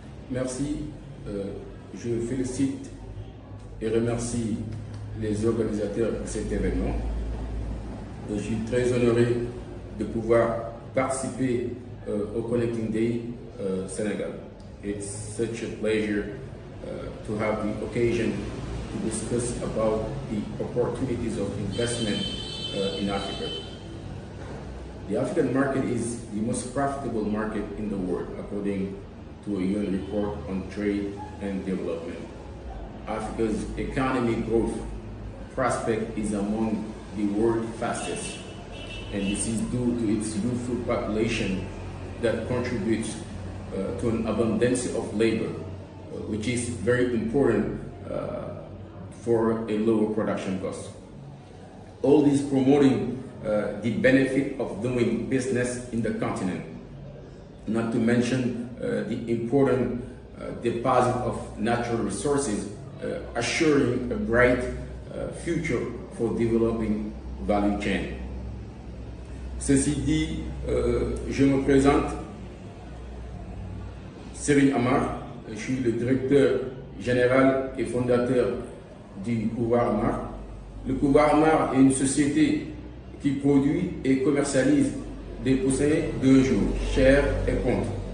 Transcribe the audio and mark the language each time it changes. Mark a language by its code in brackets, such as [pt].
[fr] Merci, je félicite et remercie les organisateurs de cet événement. Je suis très honoré de pouvoir participer au Connecting Day Sénégal. [en] It's such a pleasure to have the occasion to discuss about the opportunities of investment in Africa. The African market is the most profitable market in the world, according to a UN report on trade and development. Africa's economic growth prospect is among the world's fastest. And this is due to its youthful population that contributes to an abundance of labor, which is very important for a lower production cost. All this promoting the benefit of doing business in the continent, not to mention the important deposit of natural resources, assuring a bright future for developing value chain. [fr] Ceci dit, je me présente, Serigne Amar, je suis le directeur général et fondateur du Kouvoirama. Le Kouvoirama est une société qui produit et commercialise des poussins de jour, chair et pondre.